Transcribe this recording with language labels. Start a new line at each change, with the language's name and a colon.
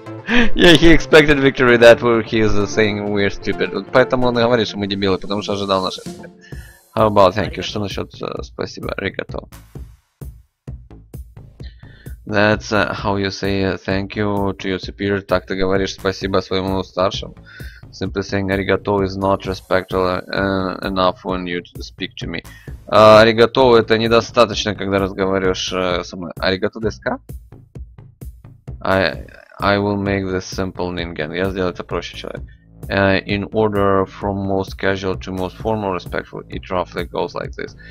English: Yeah, he expected victory, that where he is saying we're stupid.
Russian: Вот поэтому он и говорит, что мы дебилы, потому что ожидал наше успех.
English: How about thank you?
Russian: Что насчет спасибо,
English: arigato? That's how you say thank you to your superior.
Russian: Так ты говоришь спасибо своему старшему.
English: Simply saying arigato is not respectful enough when you speak to me.
Russian: Arigato это недостаточно, когда разговариваешь со мной.
Japanese: Arigato desu?
English: I will make this simple ningen.
Russian: Я сделаю это проще, человек.
English: In order from most casual to most formal respectful, it roughly goes like this.